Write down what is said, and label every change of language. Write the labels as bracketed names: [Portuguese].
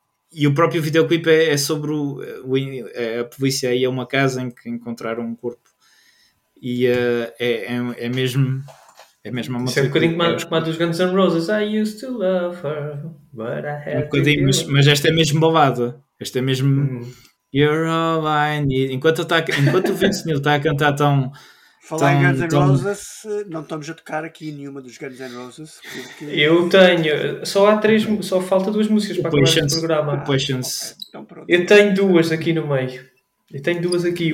[Portuguese] E o próprio videoclipe é sobre a polícia aí a uma casa em que encontraram um corpo e é mesmo a matar. É um bocadinho como a dos Guns N' Roses. [English] I used to love her, but I had to do it. [Portuguese] Mas esta é mesmo bobada. Esta é mesmo. [English] You're all I need. [Portuguese] Enquanto o Vince Neil está a cantar tão. Falar em Guns N' Roses, não estamos a tocar aqui nenhuma dos Guns N' Roses. Porque... Eu tenho. Só há três. Só falta duas músicas para acabar este programa. [English] Questions. Okay. [Portuguese] Então, eu tenho duas aqui no meio. Eu tenho duas aqui.